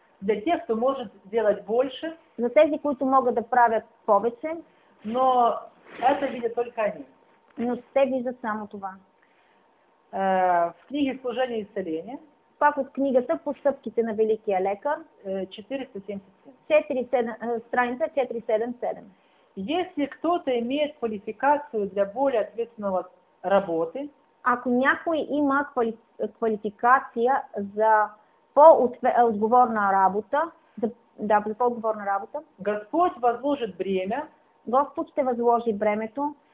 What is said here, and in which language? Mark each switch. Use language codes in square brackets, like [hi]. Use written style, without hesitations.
[ru] Для тех, кто может делать больше. [bg] За тези, които могат да правят повече. [ru] Но это видят только они. [bg] Но те виждат само това. [ru] В книге «Служение и исцеление». [bg] Пак от книгата «Постъпките на великия лекар». [ru] 477. Страница 477. Если кто-то имеет квалификацию для более ответственного работы. [bg] Ако някой има квалификация за по-отговорна работа, за по-отговорна работа, Господ възложит бремя, Господ ще възложи бремето